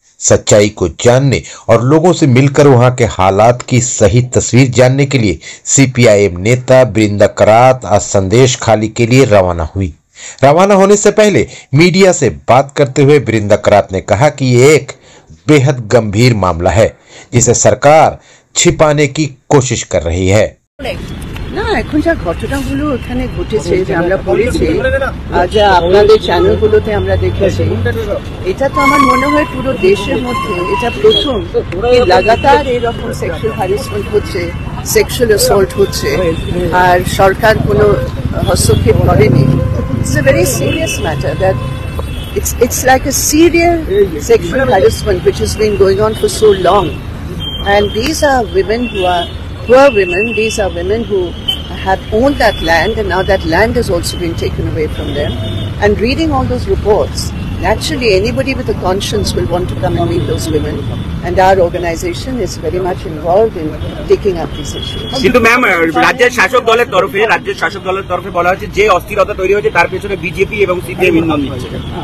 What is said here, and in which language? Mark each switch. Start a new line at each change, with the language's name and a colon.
Hindi: सच्चाई को जानने और लोगों से मिलकर वहां के हालात की सही तस्वीर जानने के लिए सीपीआईएम नेता बृंदा करात आज संदेश खाली के लिए रवाना हुई। रवाना होने से पहले मीडिया से बात करते हुए बृंदा करात ने कहा कि ये एक बेहद गंभीर मामला है जिसे सरकार छिपाने की कोशिश कर रही है।
Bangla: না এখন যা ঘটনাগুলো ওখানে ঘটেছে যে আমরা পড়েছি আজ আপনাদের চ্যানেলগুলোতে আমরা দেখেছি, এটা তো আমার মনে হয় পুরো দেশের মধ্যে এটা প্রথম যে লাগাতার এরকম সেক্সুয়াল হ্যারাসমেন্ট হচ্ছে, সেক্সুয়াল অ্যাসল্ট হচ্ছে আর সরকার কোনো হস্তক্ষেপ করেনি।
English: It's a very serious matter that it's like a serial sexual harassment which has been going on for so long and these are women who are Poor women, these are women who have owned that land and now that land has also been taken away from them. And reading all those reports, naturally anybody with a conscience will want to come and meet those women. And our organization is very much involved in taking up these issues.
Bangla: কিন্তু ma'am, রাজ্যের শাসক দলের তরফে বলা হচ্ছে যে অস্থিরতা তৈরি হয়েছে তার পেছনে বিজেপি এবং সিপিএম ইন্ধন দিচ্ছে।